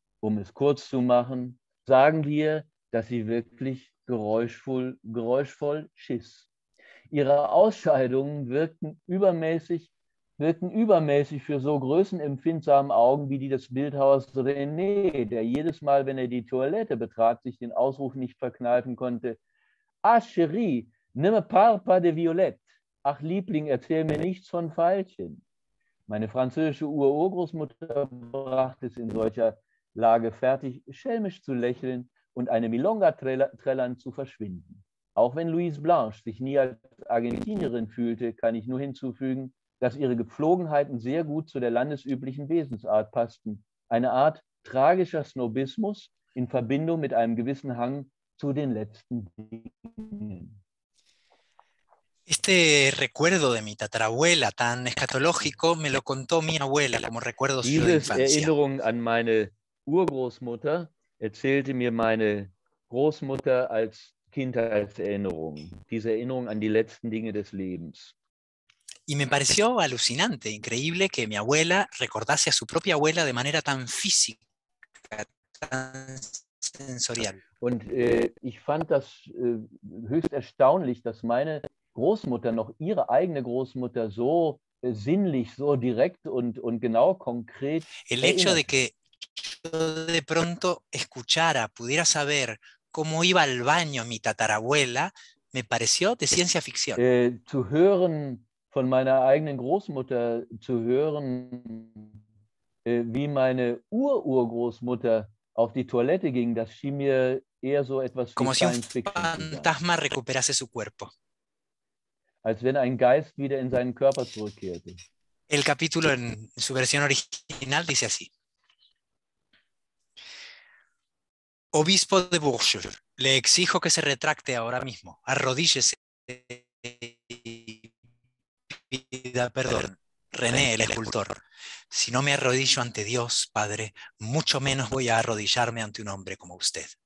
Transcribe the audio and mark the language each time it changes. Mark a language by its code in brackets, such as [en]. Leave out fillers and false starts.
[de] Um es kurz zu machen, sagen wir, dass sie wirklich geräuschvoll schiss. Ihre Ausscheidungen wirkten übermäßig für so größenempfindsame Augen wie die des Bildhauers René, der jedes Mal, wenn er die Toilette betrat, sich den Ausruf nicht verkneifen konnte. [fr] Ah, chérie, ne me parle pas de violette. [de] Ach, Liebling, erzähl mir nichts von Veilchen. Meine französische Urgroßmutter brachte es in solcher Lage fertig, schelmisch zu lächeln und eine Milonga trällern zu verschwinden. Auch wenn Louise Blanche sich nie als Argentinierin fühlte, kann ich nur hinzufügen, dass ihre Gepflogenheiten sehr gut zu der landesüblichen Wesensart passten. Eine Art tragischer Snobismus in Verbindung mit einem gewissen Hang zu den letzten Dingen. [es] Este recuerdo de mi tatarabuela, tan escatológico, me lo contó mi abuela como recuerdo de su infancia. [de] Erinnerung an meine Urgroßmutter erzählte mir meine Großmutter als Kindheitserinnerung. Diese Erinnerung an die letzten Dinge des Lebens. [es] Y me pareció alucinante, increíble que mi abuela recordase a su propia abuela de manera tan física, tan sensorial. [de] Und ich fand das höchst erstaunlich, dass meine Großmutter noch ihre eigene Großmutter so sinnlich, so direkt und genau konkret. [es] El hecho de que yo de pronto escuchara, pudiera saber cómo iba al baño mi tatarabuela, me pareció de ciencia ficción. [de] Zu hören von meiner eigenen Großmutter, zu hören, wie meine Ururgroßmutter auf die Toilette ging, das schien mir eher so etwas [es] como [de] wie [es] Science Fiction. Como si un fantasma recuperase su cuerpo. [de] Als wenn ein Geist wieder in seinen Körper zurückkehrte. [es] El capítulo en su versión original dice así. Obispo de Bourges, le exijo que se retracte ahora mismo. Arrodíllese y pida perdón. René, el escultor, si no me arrodillo ante Dios, padre, mucho menos voy a arrodillarme ante un hombre como usted.